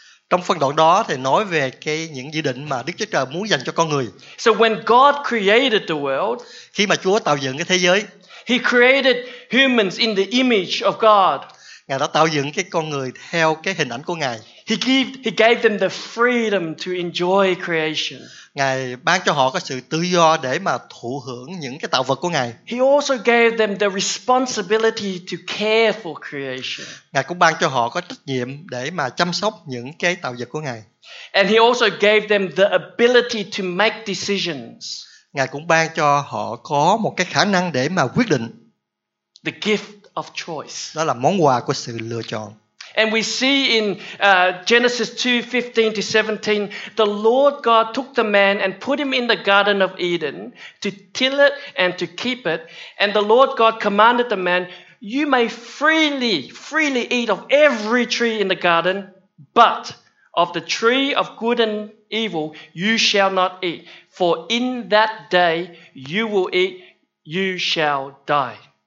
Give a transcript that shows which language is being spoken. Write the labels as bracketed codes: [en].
[vi] Trong phân đoạn đó thì nói về cái những dự định mà Đức Chúa Trời muốn dành cho con người. [en] So when God created the world, [vi] khi mà Chúa tạo dựng cái thế giới, [en] He created humans in the image of God. [vi] Ngài đã tạo dựng cái con người theo cái hình ảnh của Ngài. [en] He gave them the freedom to enjoy creation. [vi] Ngài ban cho họ có sự tự do để mà thụ hưởng những cái tạo vật của Ngài. [en] He also gave them the responsibility to care for creation. [vi] Ngài cũng ban cho họ có trách nhiệm để mà chăm sóc những cái tạo vật của Ngài. [en] And He also gave them the ability to make decisions. [vi] Ngài cũng ban cho họ có một cái khả năng để mà quyết định. [en] The gift of choice. [vi] Đó là món quà của sự lựa chọn. [en] And we see in Genesis 2:15 to 17, the Lord God took the man and put him in the Garden of Eden to till it and to keep it. And the Lord God commanded the man, "You may freely eat of every tree in the garden, but of the tree of good and evil you shall not eat, for in that day you will eat, you shall die."